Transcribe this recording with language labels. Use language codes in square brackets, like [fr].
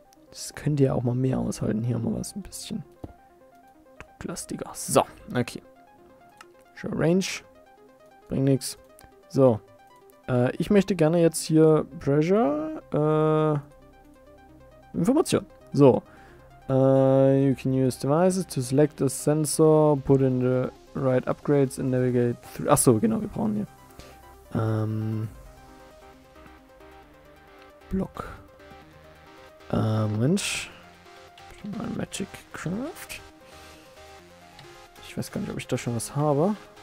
[de] Das könnt ihr auch mal mehr aushalten. Hier haben wir was ein bisschen drucklastiger. So, okay. Schon Range. Bringt nichts. So. Ich möchte gerne jetzt hier Pressure, Information. [en] So, you can use devices to select a sensor, put in the right upgrades and navigate through. [de] Achso, genau, wir brauchen hier, Block. Mensch. Mal Magic Craft. Ich weiß gar nicht, ob ich da schon was habe.